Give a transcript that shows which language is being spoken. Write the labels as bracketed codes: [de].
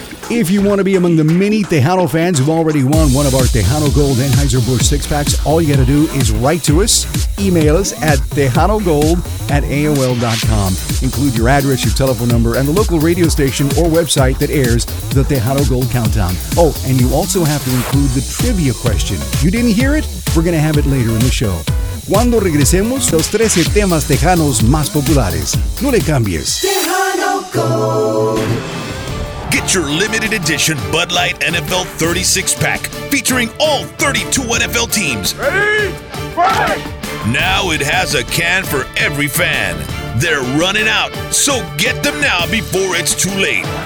[en] If you want to be among the many Tejano fans who've already won one of our Tejano Gold Anheuser-Busch six-packs, all you got to do is write to us, email us at TejanoGold@AOL.com. Include your address, your telephone number, and the local radio station or website that airs the Tejano Gold Countdown. Oh, and you also have to include the trivia question. You didn't hear it? We're going to have it later in the show. [es] Cuando regresemos, los 13 temas tejanos más populares. No le cambies. [en] Tejano Gold. Get your limited edition Bud Light NFL 36 pack featuring all 32 NFL teams. Ready? Fight! Now it has a can for every fan. They're running out, so get them now before it's too late.